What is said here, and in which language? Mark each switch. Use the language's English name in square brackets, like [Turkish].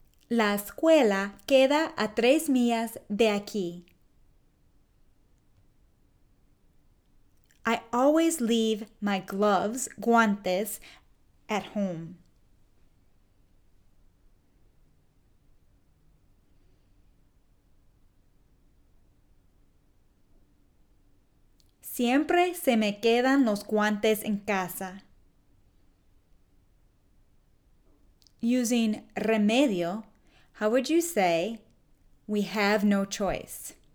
[Spanish] La escuela queda a 3 millas de aquí. [English] I always leave my gloves, guantes, at home. [Spanish] Siempre se me quedan los guantes en casa. [English] Using remedio, how would you say, we have no choice?